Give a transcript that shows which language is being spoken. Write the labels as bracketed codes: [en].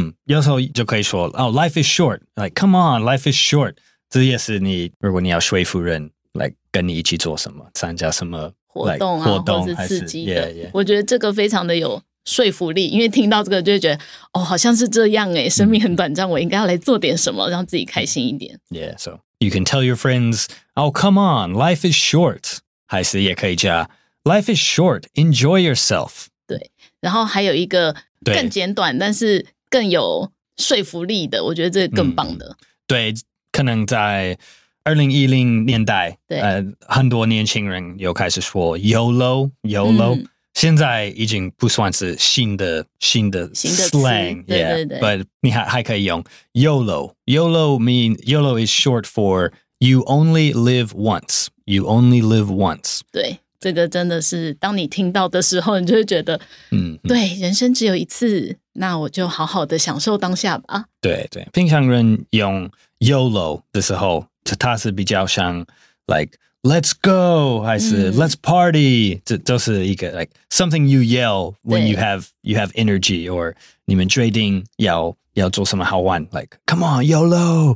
[zh] 有时候就可以说 [en] Life is short. Like, come on, life is short. [zh] 这也是你，如果你要说服人来跟你一起做什么，参加什么活动啊，活动或是刺激的。我觉得这个非常的有说服力，因为听到这个就会觉得，哦，好像是这样耶，生命很短暂，我应该要来做点什么，让自己开心一点。 [en] Yeah, so you can tell your friends, oh, come on, life is short. [zh] 还是也可以加 [en] life is short, enjoy yourself. [zh] 对，然后还有一个更简短，但是更有说服力的，我觉得这个更棒的。对，可能在2010年代，对，很多年轻人又开始说 YOLO, YOLO。现在已经不算是新的 slang, 对对对 [en] yeah, but [zh] 你 还可以用 YOLO. [en] YOLO means, YOLO is short for you only live once. You only live once. [zh] 对，这个真的是当你听到的时候，你就会觉得，对，人生只有一次，那我就好好的享受当下吧。对对，平常人用 [en] YOLO [zh] 的时候，它是比较像 [en] like,Let's go, 还是 Let's party, 这都是一个 like something you yell when you have energy, or [zh] 你们决定要做什么好玩 [en] like, come on, YOLO.